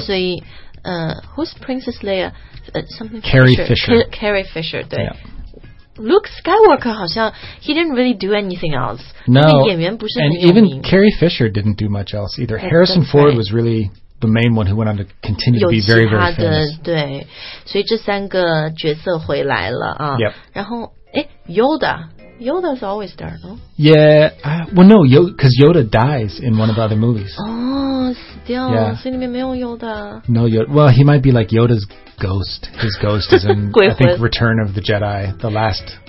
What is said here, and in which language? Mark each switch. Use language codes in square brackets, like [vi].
[zh] 所以， [en] who's Princess Leia? Carrie Fisher. Carrie Fisher. [zh] 对。 [en] Yeah. Luke Skywalker [zh] 好像 [en] he didn't really do anything else. No. [zh] 演员不是很有名。 [en] And even Carrie Fisher didn't do much else either. Harrison Ford was really. The main one who went on to continue to be very, very famous. [zh] 有其他的对，所以这三个角色回来了啊。 [en] Yep. [zh] 然后，哎 [en] ，Yoda, Yoda is always there, no? Yeah. Well, no, because Yoda dies in one of the other movies. [zh] Oh, 死掉了。 [en] Yeah. [zh] 所以里面没有 Yoda. [en] No Yoda. Well, he might be like Yoda's ghost. His ghost is in I think Return of the Jedi, the last.